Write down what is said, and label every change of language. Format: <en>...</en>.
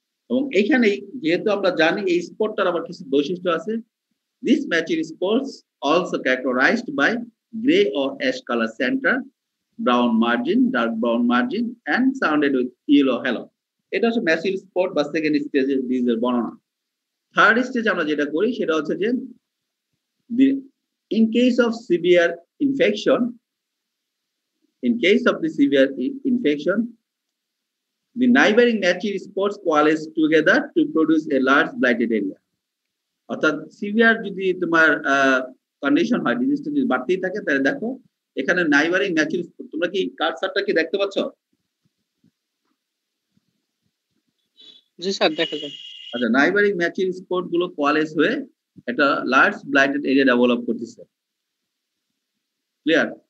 <bn>এবং এইখানে যেহেতু আমরা জানি এই স্পটটার আবার কিছু বৈশিষ্ট্য আছে,</bn> <en>This mature spots also characterized by grey or ash colour centre, brown margin, dark brown margin and surrounded with yellow halo.</en> <bn>এটা হচ্ছে ম্যাচিউর স্পট বা সেকেন্ড স্টেজ ডিজিজের বর্ণনা।</bn> <en>third stage</en> <bn>আমরা যেটা করি সেটা হচ্ছে যে</bn> <en>In case of severe infection, in case of the severe infection, the neighboring mature spots coalesce together to produce a large blighted area.</en> <bn>অর্থাৎ সিভিয়ার যদি তোমার কন্ডিশন হয়, ডিজিজটা যদি বাড়তেই থাকে, তাহলে দেখো এখানে নাইবারিং ম্যাচিউর স্পট, তোমরা কি কার্সারটা কি দেখতে পাচ্ছ? জি স্যার, দেখা যায়। আচ্ছা, নাইবারিং ম্যাচিউর স্পট গুলো কোয়ালেস হয়ে একটা লার্জ ব্লাইটেড এরিয়া ডেভেলপ করতেছে। ক্লিয়ার?</bn>